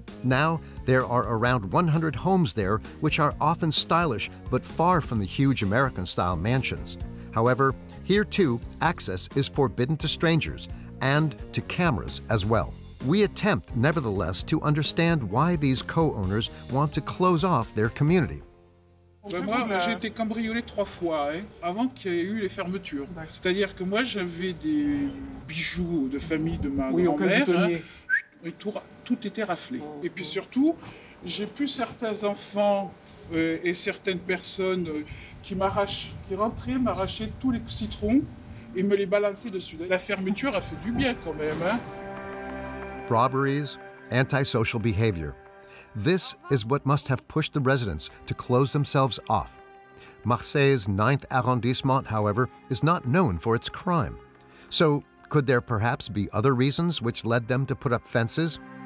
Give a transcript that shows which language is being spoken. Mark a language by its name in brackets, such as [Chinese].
[English] Now, there are around 100 homes there, which are often stylish, but far from the huge American-style mansions. However, here too, access is forbidden to strangers and to cameras as well. We attempt, nevertheless, to understand why these co-owners want to close off their community. [French] Moi, j'ai été cambriolé trois fois avant qu'il y ait eu les fermetures. C'est-à-dire que moi, j'avais des bijoux de famille de ma grand-mère, et tout était raflé. Et puis surtout, j'ai plus certains enfants et certaines personnes qui rentraient, m'arrachaient tous les citrons et me les balançaient dessus. La fermeture a fait du bien quand même. [English] Robberies, antisocial behavior. This is what must have pushed the residents to close themselves off. Marseille's 9th arrondissement, however, is not known for its crime. So could there perhaps be other reasons which led them to put up fences?